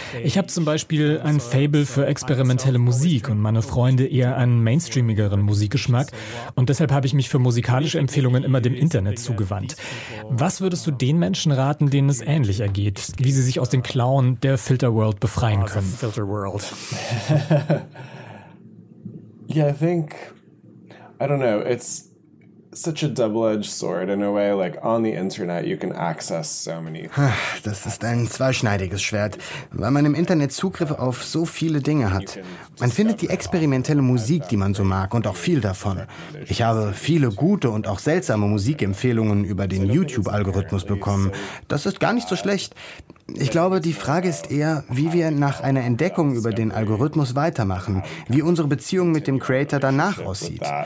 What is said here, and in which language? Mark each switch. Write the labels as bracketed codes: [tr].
[de] Ich habe zum Beispiel ein Faible für experimentelle Musik und meine Freunde eher einen mainstreamigeren Musikgeschmack und deshalb habe ich mich für musikalische Empfehlungen immer dem Internet zugewandt. Was würdest du den Menschen raten, denen es ähnlich ergeht, wie sie sich aus den Klauen der Filterworld befreien können? [en] Yeah, I think, I don't know, it's such a double-edged sword in a way, like on the internet you can access so many things. [de] Das ist ein zweischneidiges Schwert, weil man im Internet Zugriff auf so viele Dinge hat. Man findet die experimentelle Musik, die man so mag, und auch viel davon. Ich habe viele gute und auch seltsame Musikempfehlungen über den YouTube-Algorithmus bekommen. Das ist gar nicht so schlecht. Ich glaube, die Frage ist eher, wie wir nach einer Entdeckung über den Algorithmus weitermachen, wie unsere Beziehung mit dem Creator danach aussieht.